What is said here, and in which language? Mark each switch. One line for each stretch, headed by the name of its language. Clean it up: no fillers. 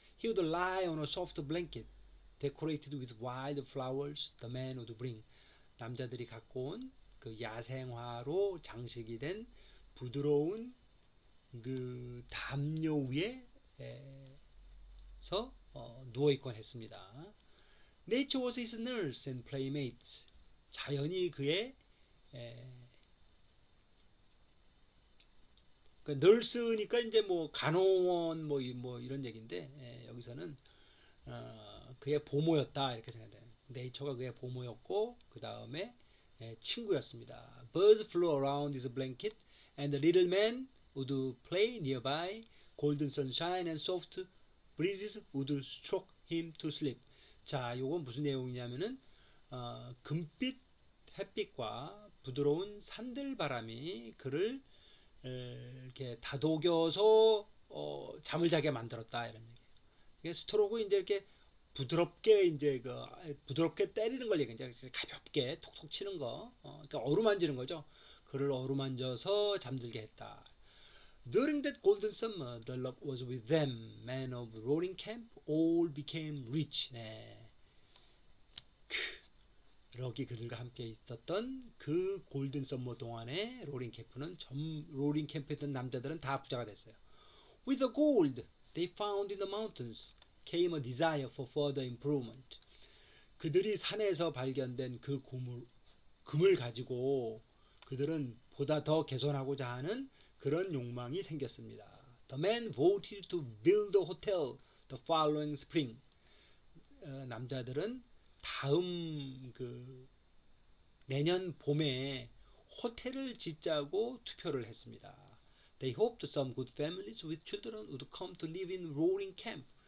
English: He would lie on a soft blanket decorated with wild flowers the man would bring.
Korean: 남자들이 갖고 온그 야생화로 장식이 된 부드러운 그 담요 위에서 누워있곤 했습니다.
English: Nature was his nurse and playmates.
Korean: 자연이 그의 그 널스니까 이제 뭐 간호원 뭐 이런 얘기인데 여기서는 그의 보모였다 이렇게 생각돼요. 네이처가 그의 보모였고 그 다음에 친구였습니다.
English: Birds flew around his blanket and the little man would play nearby. Golden sunshine and soft breezes would stroke him to sleep.
Korean: 자, 요건 무슨 내용이냐면은 금빛 햇빛과 부드러운 산들바람이 그를 이렇게 다독여서 잠을 자게 만들었다 이런 얘기예요. 이게 스트로크 이제 이렇게 부드럽게 이제 그 부드럽게 때리는 걸 얘기해요. 가볍게 톡톡 치는 거. 그러니까 어루만지는 거죠. 그를 어루만져서 잠들게 했다.
English: During that golden summer, the luck was with them. Men of Roaring Camp all became rich. 네.
Korean: 럭이 그들과 함께 있었던 그 골든 썸머 동안에 로링 캠프는 로링 캠프에 있던 남자들은 다 부자가 됐어요.
English: With the gold they found in the mountains came a desire for further improvement.
Korean: 그들이 산에서 발견된 그 금을 가지고 그들은 보다 더 개선하고자 하는 그런 욕망이 생겼습니다.
English: The man voted to build a hotel the following spring.
Korean: 남자들은 다음 내년 봄에 호텔을 짓자고 투표를 했습니다.
English: They hoped some good families with children would come to live in Roaring Camp.